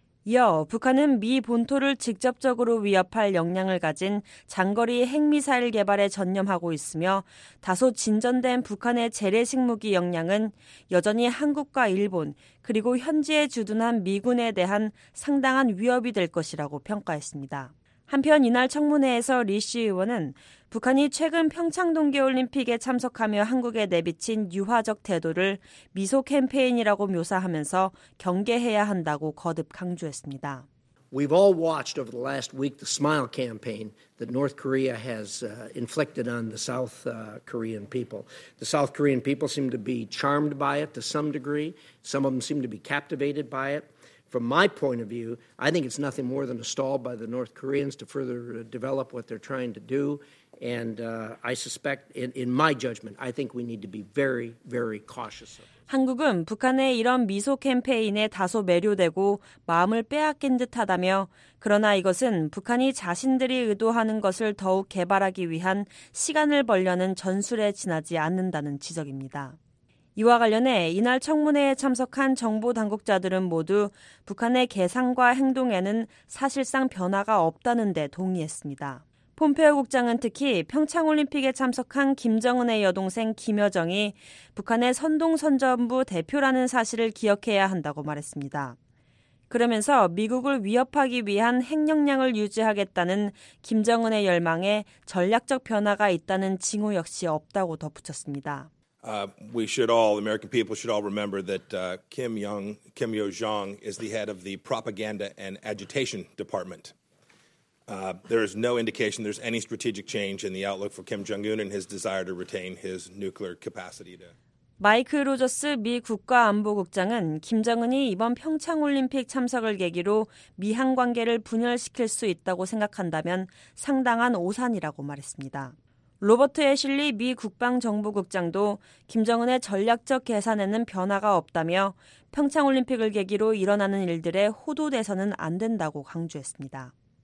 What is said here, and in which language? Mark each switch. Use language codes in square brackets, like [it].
[ko] 이어 북한은 미 본토를 직접적으로 위협할 역량을 가진 장거리 핵미사일 개발에 전념하고 있으며 다소 진전된 북한의 재래식 무기 역량은 여전히 한국과 일본 그리고 현지에 주둔한 미군에 대한 상당한 위협이 될 것이라고 평가했습니다. 한편 이날 청문회에서 리 씨 의원은 북한이 최근 평창 동계올림픽에 참석하며 한국에 내비친 유화적 태도를 미소 캠페인이라고 묘사하면서 경계해야 한다고 거듭 강조했습니다. [en] We've all watched over the last week the smile campaign that North Korea has inflicted on the South Korean people. The South Korean people seem to be charmed by it to some degree. Some of them seem to be captivated by it. From my point of view, I think it's nothing more than a stall by the North Koreans to further develop what they're trying to do. And I suspect, in my judgment, I think we need to be very, very cautious. [ko] 한국은 북한의 이런 미소 캠페인에 다소 매료되고 마음을 빼앗긴 듯하다며 그러나 이것은 북한이 자신들이 의도하는 것을 더욱 개발하기 위한 시간을 벌려는 전술에 지나지 않는다는 지적입니다. 이와 관련해 이날 청문회에 참석한 정보 당국자들은 모두 북한의 계산과 행동에는 사실상 변화가 없다는 데 동의했습니다. 폼페이오 국장은 특히 평창올림픽에 참석한 김정은의 여동생 김여정이 북한의 선동선전부 대표라는 사실을 기억해야 한다고 말했습니다. 그러면서 미국을 위협하기 위한 핵 역량을 유지하겠다는 김정은의 열망에 전략적 변화가 있다는 징후 역시 없다고 덧붙였습니다. [en] We should all, American people should all remember that Kim Yo-jong is the head of the Propaganda and Agitation Department. There is no indication there's any strategic change in the outlook for Kim Jong-un and his desire to retain his nuclear capacity. [ko] 마이크 로저스 미 국가안보국장은 김정은이 이번 평창올림픽 참석을 계기로 미한 관계를 분열시킬 수 있다고 생각한다면 상당한 오산이라고 말했습니다. 로버트 애슐리 미 국방정보국장도 김정은의 전략적 계산에는 변화가 없다며 평창올림픽을 계기로 일어나는 일들에 호도돼서는 안 된다고 강조했습니다.